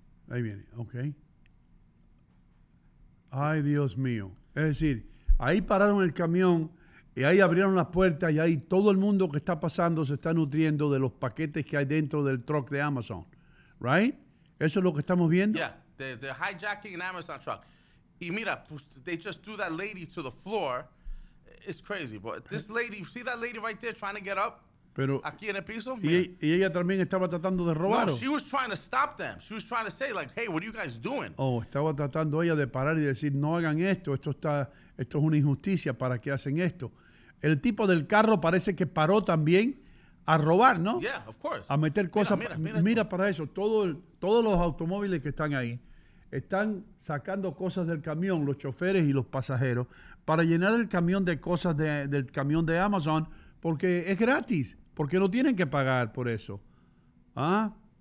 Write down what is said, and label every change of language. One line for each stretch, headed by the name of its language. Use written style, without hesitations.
Spanish: Ahí viene. Ok. Ay, Dios mío. Es decir, ahí pararon el camión y ahí abrieron las puertas y ahí todo el mundo que está pasando se está nutriendo de los paquetes que hay dentro del truck de Amazon. Right? Eso es lo que estamos viendo.
English: Yeah. The hijacking an Amazon truck.
Spanish: Y mira,
English: they just threw that lady to the floor. It's crazy, but this lady, you see that lady right there trying to get up?
Spanish: Pero, aquí en el piso? Y ella también estaba tratando de robar.
English: No, she was trying to stop them. She was trying to say, like, hey, what are you guys doing?
Spanish: Oh, estaba tratando ella de parar y decir, no hagan esto. Esto es una injusticia. ¿Para qué hacen esto? El tipo del carro parece que paró también a robar, ¿no?
English: Yeah, of course.
Spanish: A meter cosas. Mira para eso. Todos los automóviles que están ahí están sacando cosas del camión, los choferes y los pasajeros, para llenar el camión de cosas del camión de Amazon, porque es gratis, porque no tienen que pagar por eso. ¿Ah?